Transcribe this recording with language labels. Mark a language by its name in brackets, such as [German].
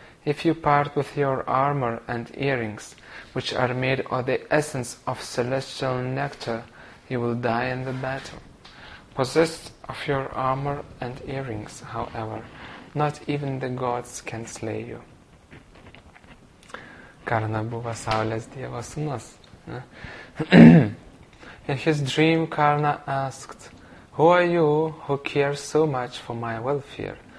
[English] If you part with your armor and earrings, which are made of the essence of celestial nectar, you will die in the battle. Possessed of your armor and earrings, however, not even the gods can slay you. [Lithuanian] Karna buvo Saulės Dievo sūnus. [English] In his dream, Karna asked, Who are you who cares so much for my welfare?